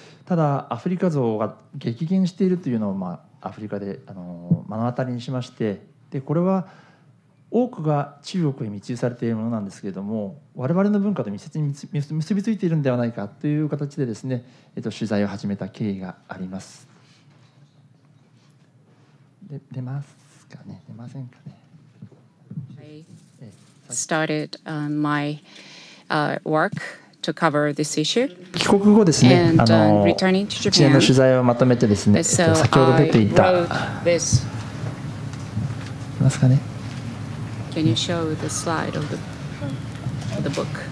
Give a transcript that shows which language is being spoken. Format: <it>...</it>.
<ja>ただアフリカ象が激減しているというのを、アフリカで目の当たりにしまして、でこれは多くが中国へ密輸されているものなんですけれども、我々の文化と密接に結びついているのではないかという形でですね、取材を始めた経緯があります。で出ますかね、出ませんかね。</ja> <en>Started on my work to cover this issue.</en> <ja>帰国後ですね、</ja> <en>returning to Japan,</en> <ja>一連の取材をまとめてですね、先ほど出ていた、いますかね。</ja> <en>Can you show the slide of the book?</en>